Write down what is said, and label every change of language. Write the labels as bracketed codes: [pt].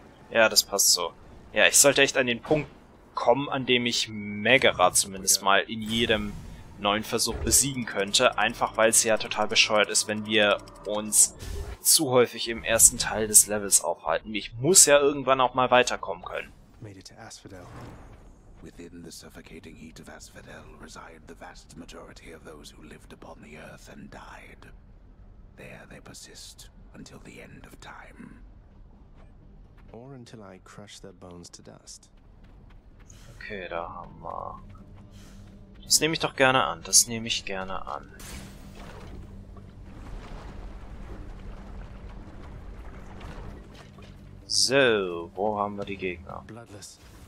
[de] Ja, das passt so. Ja, ich sollte echt an den Punkt kommen, an dem ich Megara zumindest mal in jedem neuen Versuch besiegen könnte. Einfach, weil es ja total bescheuert ist, wenn wir uns zu häufig im ersten Teil des Levels aufhalten. Ich muss ja irgendwann auch mal weiterkommen können. [en] Within the suffocating heat of Asphodel reside the vast majority of those who lived upon the earth and died. There they persist until the end of time. Or until I crush their bones to dust. [de] Okay, da haben wir... Das nehme ich doch gerne an, das nehme ich gerne an. So, wo haben wir die Gegner? [en] Bloodless.